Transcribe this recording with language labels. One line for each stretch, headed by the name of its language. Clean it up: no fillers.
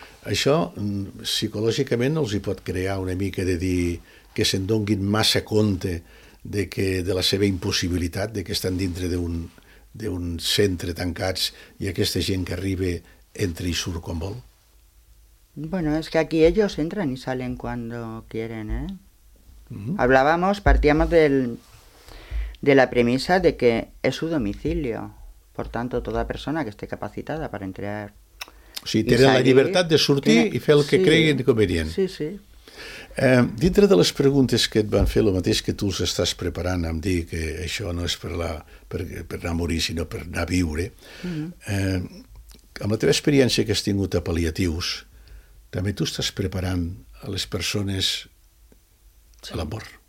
Catalan: Això psicològicament els hi pot crear una mica de dir que se'n donguin massa compte de la seva impossibilitat, de que estan dintre d'un centre tancats i aquesta gent que arriba entra i surt com vol.
Spanish: Bueno, es que aquí ellos entran y salen cuando quieren, ¿eh? Mm-hmm. Partíamos de la premisa de que es su domicilio, por tanto toda persona que esté capacitada para entrar.
Catalan: O sigui, tenen la llibertat de sortir i fer el que creguin convenient. Sí, sí. Dintre de les preguntes que et van fer, el mateix que tu els estàs preparant, em dir que això no és per anar a morir, sinó per anar a viure, amb la teva experiència que has tingut a pal·liatius, també tu estàs preparant a les persones a l'amor.